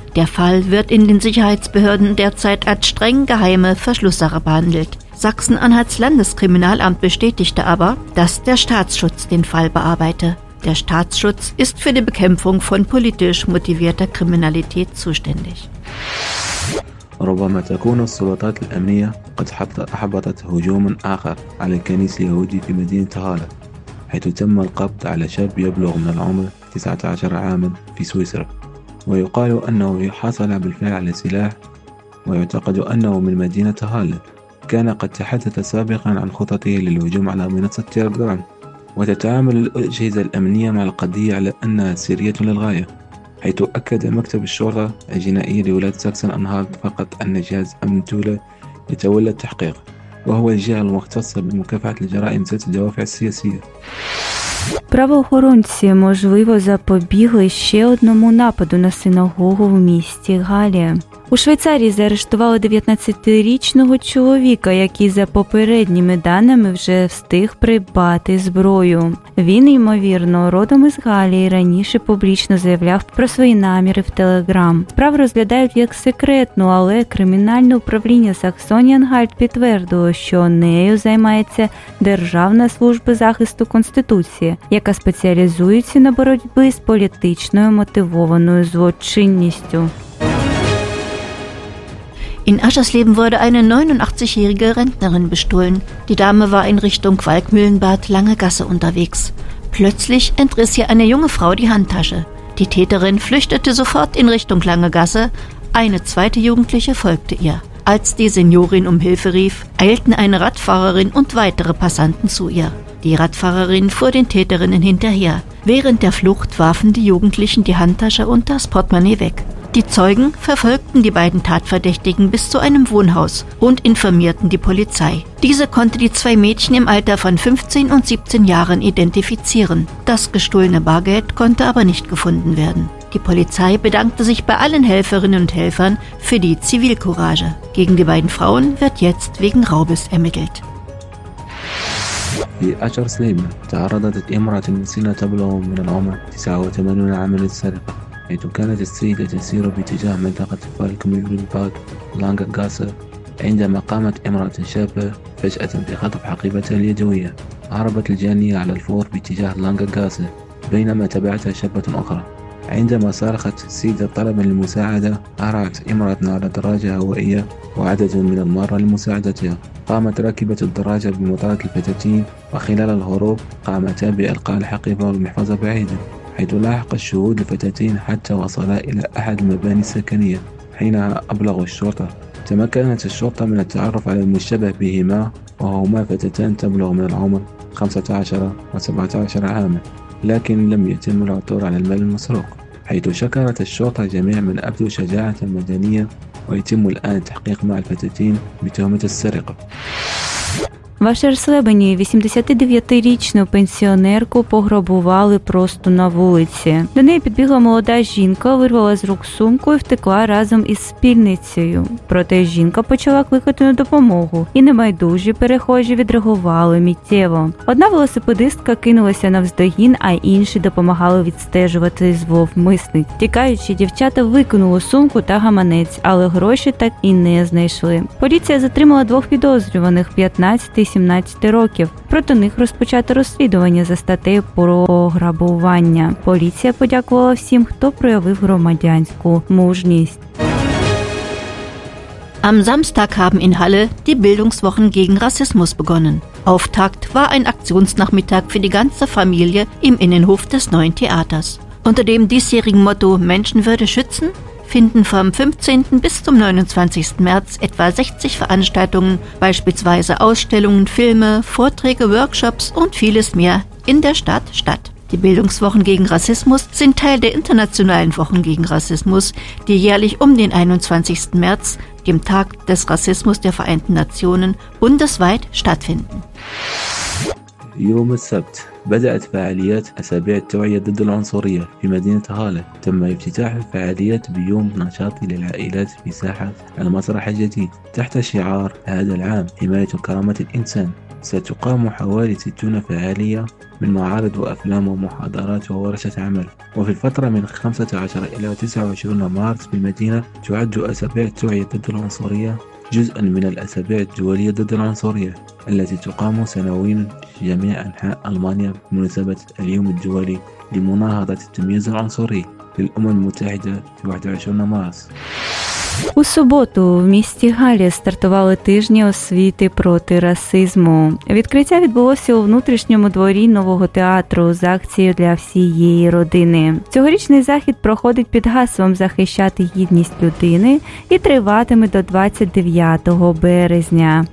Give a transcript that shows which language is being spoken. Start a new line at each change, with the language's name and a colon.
German: Der Fall wird in den Sicherheitsbehörden derzeit als streng geheime Verschlusssache behandelt. Sachsen-Anhalts Landeskriminalamt bestätigte aber, dass der Staatsschutz den Fall bearbeite. Der Staatsschutz ist für die Bekämpfung von politisch motivierter Kriminalität zuständig.
Arabic: ربما تكون السلطات الأمنية قد أحبطت هجوم آخر على كنيسة يهودي في مدينة هالة، حيث تم القبض على شاب يبلغ من العمر 19 عاما في سويسرا، ويقال أنه حصل بالفعل على سلاح، ويعتقد أنه من مدينة هالة. كان قد تحدث سابقا عن خططه للهجوم على منصة تيليجرام، وتتعامل الأجهزة الأمنية مع القضية على أنها سرية للغاية، حيث أكد مكتب الشرطة الجنائية لولاية ساكسن أنهالت فقط أن جهاز أمن تولا يتولى التحقيق، وهو الجهة المختصة بمكافحة الجرائم ذات الدوافع السياسية.
Ukrainian: Правоохоронці, можливо, запобігли ще одному нападу на синагогу в місті Галі. У Швейцарії заарештували 19-річного чоловіка, який за попередніми даними вже встиг придбати зброю. Він, ймовірно, родом із Галі і раніше публічно заявляв про свої наміри в Телеграм. Справу розглядають як секретну, але кримінальне управління Саксоніянгальд підтвердило, що нею займається Державна служба захисту Конституції, яка спеціалізується на боротьбі з політичною мотивованою злочинністю.
German: In Aschersleben wurde eine 89-jährige Rentnerin bestohlen. Die Dame war in Richtung Walkmühlenbad Lange Gasse unterwegs. Plötzlich entriss ihr eine junge Frau die Handtasche. Die Täterin flüchtete sofort in Richtung Lange Gasse. Eine zweite Jugendliche folgte ihr. Als die Seniorin um Hilfe rief, eilten eine Radfahrerin und weitere Passanten zu ihr. Die Radfahrerin fuhr den Täterinnen hinterher. Während der Flucht warfen die Jugendlichen die Handtasche und das Portemonnaie weg. Die Zeugen verfolgten die beiden Tatverdächtigen bis zu einem Wohnhaus und informierten die Polizei. Diese konnte die zwei Mädchen im Alter von 15 und 17 Jahren identifizieren. Das gestohlene Bargeld konnte aber nicht gefunden werden. Die Polizei bedankte sich bei allen Helferinnen und Helfern für die Zivilcourage. Gegen die beiden Frauen wird jetzt wegen Raubes ermittelt.
Arabic: في أشرسليم تعرضت امرأة سن تبلغ من العمر 89 عاما للسرقة، حيث كانت السيدة تسير باتجاه منطقة فالكميلبارك لانغا غاسا عندما قامت امرأة شابة فجأة بخطف حقيبتها اليدوية. هربت الجانية على الفور باتجاه لانغا غاسا بينما تبعتها شابة أخرى. عندما صرخت السيدة طلبا للمساعدة هرعت امرأة على دراجة هوائية وعدد من المارة لمساعدتها. قامت راكبة الدراجة بمطارد الفتاتين، وخلال الهروب قامتا بإلقاء الحقيبة والمحفظة بعيدا، حيث لاحق الشهود الفتاتين حتى وصلا إلى أحد المباني السكنية. حينها أبلغوا الشرطة. تمكنت الشرطة من التعرف على المشتبه بهما، وهما فتاتان تبلغ من العمر 15 و17 عاما، لكن لم يتم العثور على المال المسروق، حيث شكرت الشرطة جميع من أبدوا شجاعة مدنية، ويتم الآن تحقيق مع الفتاتين بتهمة السرقة.
Ukrainian: В Ашерслебені 89-річну пенсіонерку пограбували просто на вулиці. До неї підбігла молода жінка, вирвала з рук сумку і втекла разом із спільницею. Проте жінка почала кликати на допомогу, і небайдужі перехожі відреагували миттєво. Одна велосипедистка кинулася навздогін, а інші допомагали відстежувати зловмисниць. Тікаючи, дівчата викинули сумку та гаманець, але гроші так і не знайшли. Поліція затримала двох підозрюваних – 15 та 17 років. Проти них розпочато розслідування за статтею про пограбування. Поліція подякувала всім, хто проявив громадянську мужність.
German: Am Samstag haben in Halle die Bildungswochen gegen Rassismus begonnen. Auftakt war ein Aktionsnachmittag für die ganze Familie im Innenhof des neuen Theaters. Unter dem diesjährigen Motto Menschenwürde schützen finden vom 15. bis zum 29. März etwa 60 Veranstaltungen, beispielsweise Ausstellungen, Filme, Vorträge, Workshops und vieles mehr in der Stadt statt. Die Bildungswochen gegen Rassismus sind Teil der Internationalen Wochen gegen Rassismus, die jährlich um den 21. März, dem Tag des Rassismus der Vereinten Nationen, bundesweit stattfinden.
Arabic: يوم السبت بدأت فعاليات أسابيع التوعية ضد العنصرية في مدينة هالة. تم افتتاح الفعاليات بيوم نشاط للعائلات في ساحة المسرح الجديد تحت شعار هذا العام حماية كرامة الإنسان. ستقام حوالي 60 فعالية من معارض وأفلام ومحاضرات وورشة عمل. وفي الفترة من 15 إلى 29 مارس بالمدينة تعد أسابيع التوعية ضد العنصرية جزءا من الأسابيع الدولية ضد العنصرية التي تقام سنويا في جميع أنحاء ألمانيا بمناسبة اليوم الدولي لمناهضة التمييز العنصري للأمم المتحدة في 21 مارس.
Ukrainian: У суботу в місті Галі стартували тижні освіти проти расизму. Відкриття відбулося у внутрішньому дворі нового театру з акцією для всієї родини. Цьогорічний захід проходить під гаслом «Захищати гідність людини» і триватиме до 29 березня.